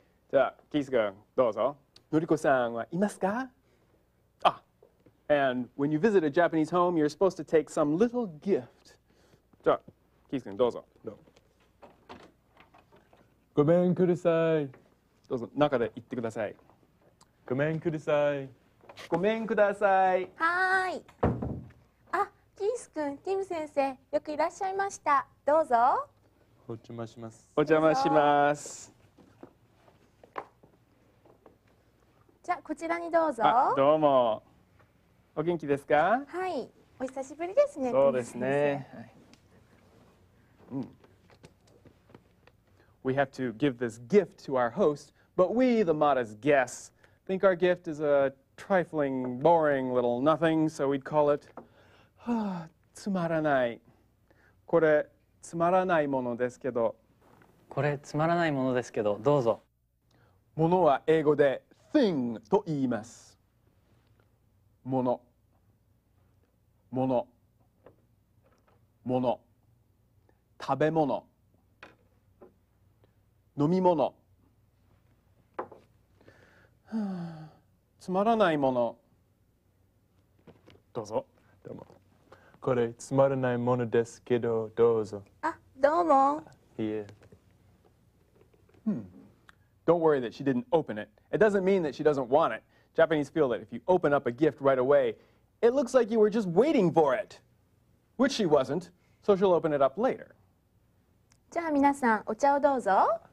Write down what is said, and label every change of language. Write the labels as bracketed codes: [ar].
[ja] じゃあ、キース君、どうぞ。のりこさんはいますか？ [en] あ、and when you visit a Japanese home, you're supposed to take some little gift. [ja] じゃあ、キース君、どうぞ。どう。ごめんください。どうぞ、中で言ってください。ごめんください。ごめんください。はーい。あ、キース君、ティム先生、よくいらっしゃいました。どうぞ。お邪魔します。お邪魔します。じゃあこちらにどうぞ。あ、どうも。お元気ですか？はい。お久しぶりですね。そうですね。はい。うん。 [en] We have to give this gift to our host, but we, the modest guests, think our gift is a trifling, boring little nothing, so we'd call it, つまらない。 [ja] これつまらないものですけど。これつまらないものですけど、どうぞ。ものは英語で。thing と言います。もの、もの、もの、食べ物、飲み物。はあ、つまらないもの。どうぞ。どうも。これつまらないものですけど、どうぞ。あ、どうも。いえ。 [en] Don't worry that she didn't open it. It doesn't mean that she doesn't want it. Japanese feel that if you open up a gift right away, it looks like you were just waiting for it. Which she wasn't, so she'll open it up later. [ja] じゃあ皆さん、お茶をどうぞ。